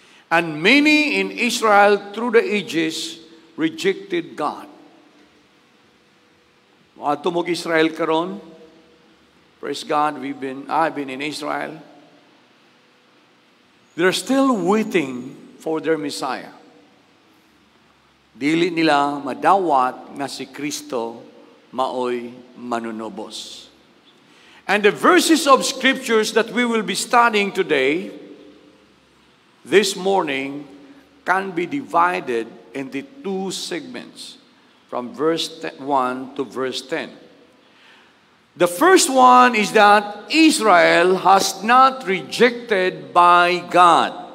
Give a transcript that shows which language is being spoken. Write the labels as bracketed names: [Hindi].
[English] And many in Israel through the ages rejected God. [Cebuano] Ato mo Israel karon. [English] Praise God, I've been in Israel. They're still waiting for their Messiah. [Cebuano] Dili nila madawat nga si Kristo maoy manunobos. [English] And the verses of scriptures that we will be studying today, this morning, can be divided into two segments, from verse 1 to verse 10. The first one is that Israel has not rejected by God.